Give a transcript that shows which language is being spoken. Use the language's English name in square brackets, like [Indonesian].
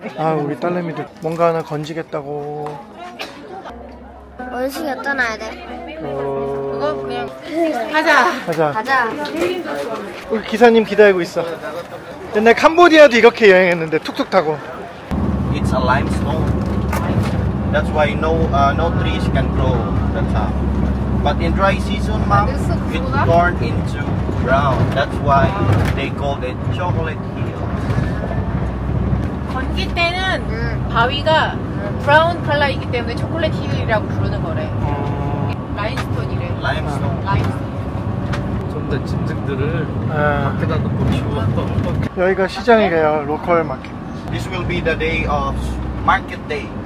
[Korean] 아, 우리 딸내미들 뭔가 하나 건지겠다고. 원숭이 떠나야 돼. 그냥 가자. 가자. 우리 기사님 기다리고 있어. 옛날 캄보디아도 이렇게 여행했는데 툭툭 타고. [English] It's a limestone. That's why no trees can grow the top. But in dry season, mom, it turned into brown. That's why they call it chocolate hills. [Korean] 건기 때는 바위가 브라운 컬러이기 때문에 초콜릿 힐이라고 부르는 거래. 라임스톤이래. 라임스톤. 좀 더 짐승들을 밖에다 놓고 키워. 여기가 시장이래요, 로컬 마켓. [English] This will be the day of market day.